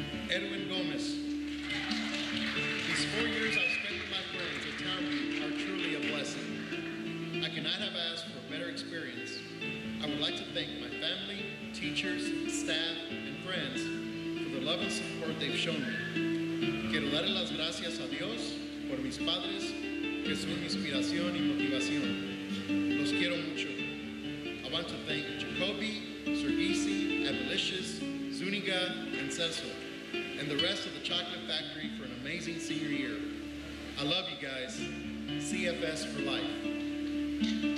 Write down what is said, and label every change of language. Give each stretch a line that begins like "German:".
English: Edwin Gomez. These 4 years I've spent with my friends at Townview are truly a blessing. I cannot have asked for a better experience. I would like to thank my family, teachers, staff, and friends for the love and support they've shown me.
Spanish: Quiero dar las gracias a Dios por mis padres, que son inspiración y motivación. Los quiero mucho.
English: I want to thank Jacoby, Sergisi, Abelicious, Zuniga, and Cecil, and the rest of the Chocolate Factory for an amazing senior year. I love you guys. CFS for life.